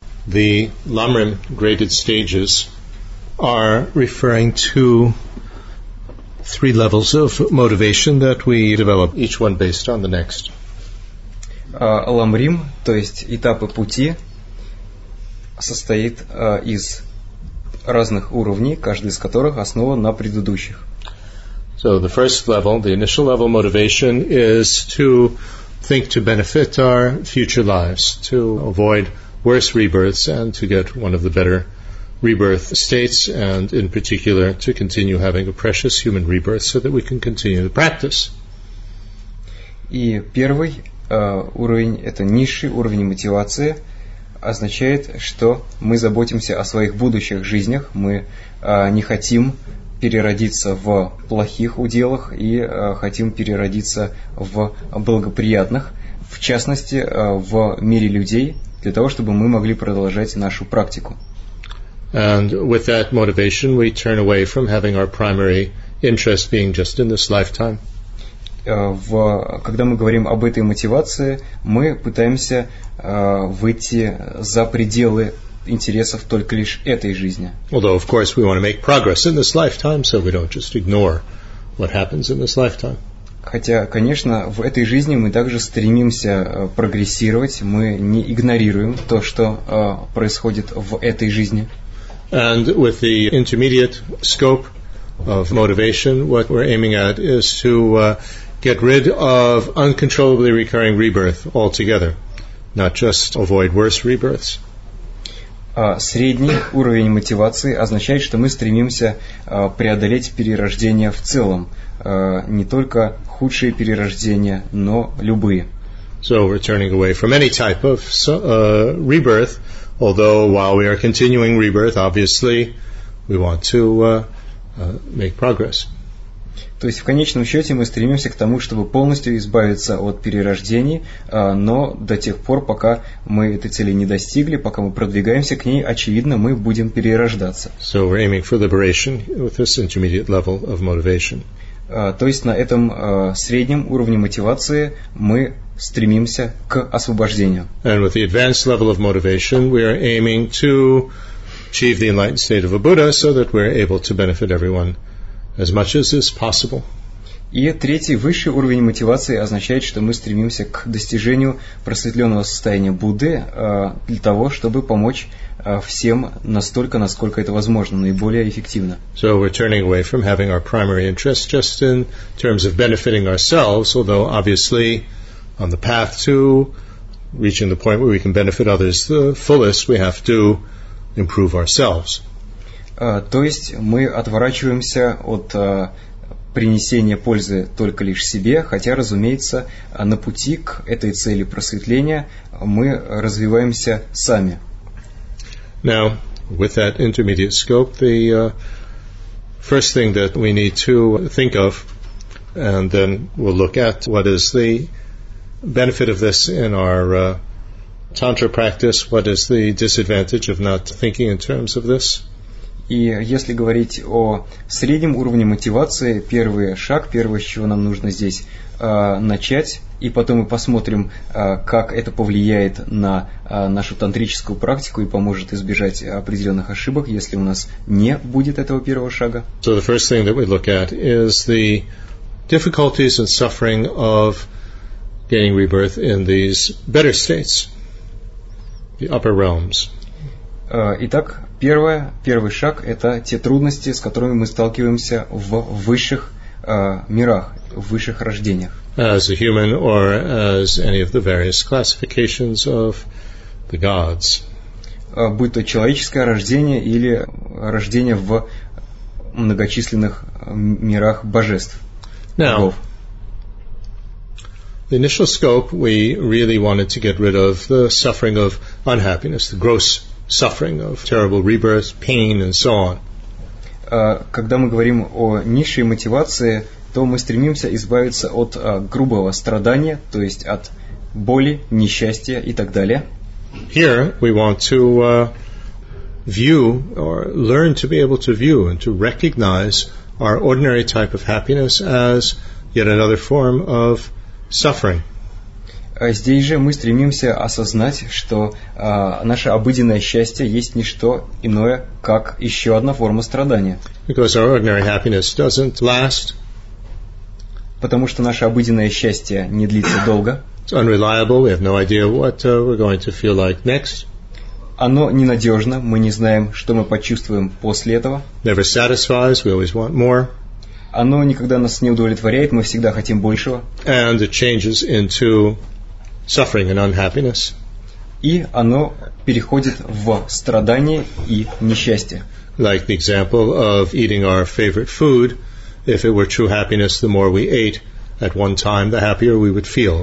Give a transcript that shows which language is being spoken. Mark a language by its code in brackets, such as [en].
[en] the Lamrim graded stages are referring to three levels of motivation that we develop, each one based on the next. [ru] Ламрим, то есть этапы пути, состоит из разных уровней, каждый из которых основан на предыдущих. [en] So the first level, the initial level motivation, is to think to benefit our future lives, to avoid worse rebirths and to get one of the better rebirth states, and in particular to continue having a precious human rebirth so that we can continue the practice. [ru] И первый уровень, это низший уровень мотивации, означает, что мы заботимся о своих будущих жизнях, мы не хотим переродиться в плохих уделах и хотим переродиться в благоприятных, в частности, в мире людей, для того, чтобы мы могли продолжать нашу практику. [en] And with that motivation, we turn away from having our primary interest being just in this lifetime. [ru] Когда мы говорим об этой мотивации, мы пытаемся выйти за пределы интересов только лишь этой жизни. [en] Although, of course, we want to make progress in this lifetime, so we don't just ignore what happens in this lifetime. [ru] Хотя, конечно, в этой жизни мы также стремимся прогрессировать, мы не игнорируем то, что происходит в этой жизни. [en] And with the intermediate scope of motivation, what we're aiming at is to get rid of uncontrollably recurring rebirth altogether, not just avoid worse rebirths. [ru] Средний уровень мотивации означает, что мы стремимся преодолеть перерождения в целом, не только худшие перерождения, но любые. [en] So we're turning away from any type of rebirth, although while we are continuing rebirth, obviously, we want to make progress. [ru] То есть в конечном счете мы стремимся к тому, чтобы полностью избавиться от перерождений, но до тех пор, пока мы этой цели не достигли, пока мы продвигаемся к ней, очевидно, мы будем перерождаться. [en] So we're aiming for liberation with this intermediate level of motivation. [ru] То есть на этом среднем уровне мотивации мы стремимся к освобождению. [en] And with the advanced level of motivation, we are aiming to achieve the enlightened state of a Buddha so that we're able to benefit everyone as much as is possible. [ru] И третий, высший уровень мотивации означает, что мы стремимся к достижению просветленного состояния Будды для того, чтобы помочь всем настолько, насколько это возможно, наиболее эффективно. [en] So we're turning away from having our primary interest just in terms of benefiting ourselves, although obviously on the path to reaching the point where we can benefit others the fullest, we have to improve ourselves. [ru] То есть мы отворачиваемся от принесения пользы только лишь себе, хотя, разумеется, на пути к этой цели просветления мы развиваемся сами. [en] Now, with that intermediate scope, the first thing that we need to think of, and then we'll look at what is the benefit of this in our tantra practice, what is the disadvantage of not thinking in terms of this. [ru] И если говорить о среднем уровне мотивации, первый шаг, первое, с чего нам нужно здесь начать, и потом мы посмотрим, как это повлияет на нашу тантрическую практику и поможет избежать определенных ошибок, если у нас не будет этого первого шага. [en] So the first thing that we look at is the difficulties and suffering of getting rebirth in these better states, the upper realms. [ru] Итак, первый шаг – это те трудности, с которыми мы сталкиваемся в высших мирах, в высших рождениях. [en] As a human or as any of the various classifications of the gods. [ru] Будь то человеческое рождение или рождение в многочисленных мирах божеств. [en] Now, the initial scope, we really wanted to get rid of the suffering of unhappiness, the gross suffering of terrible rebirths, pain, and so on. [ru] Когда мы говорим о низшей мотивации, то мы стремимся избавиться от грубого страдания, то есть от боли, несчастья и так далее. [en] Here we want to view or learn to be able to view and to recognize our ordinary type of happiness as yet another form of suffering. [ru] здесь же мы стремимся осознать, что наше обыденное счастье есть не что иное, как еще одна форма страдания. [en] Because our ordinary happiness doesn't last. [ru] Потому что наше обыденное счастье не длится долго. [en] It's unreliable. We have no idea what we're going to feel like next. [ru] Оно ненадежно, мы не знаем, что мы почувствуем после этого. [en] Never satisfies, we always want more. [ru] Оно никогда нас не удовлетворяет, мы всегда хотим большего. [en] And it changes into suffering and unhappiness. [ru] И оно переходит в страдание и несчастье. [en] Like the example of eating our favorite food, if it were true happiness, the more we ate at one time, the happier we would feel.